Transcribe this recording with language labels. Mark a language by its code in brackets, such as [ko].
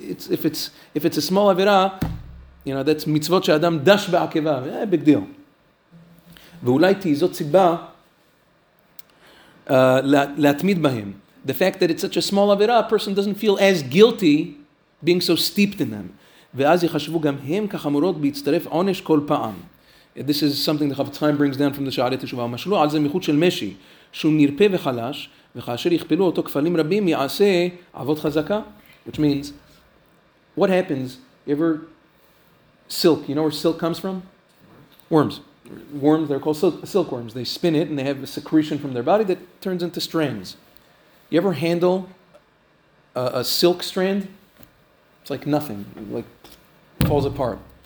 [en] If it's a small avirah, you know, that's [he] mitzvot she'adam dash ba'akeva. [en] Yeah, big deal. [he] Ve'ulai ti'izot sibba la'atmid bahim. [en] The fact that it's such a small avirah, a person doesn't feel as guilty being so steeped in them. [he] ואז יחשבו גם הם כחמורות בהצטרף עונש כל פעם. [en] This is something the Chafetz Chaim brings down from the שערי תשובה. [he] ומשלו על זה מחוץ של משי, שהוא נרפה וחלש, וכאשר יכפלו אותו כפלים רבים, יעשה אבות חזקה. [en] Which means, what happens, ever silk, you know where silk comes from? Worms. Worms, they're called silkworms. They spin it and they have a secretion from their body that turns into strands. You ever handle a silk strand? It's like nothing, like falls apart.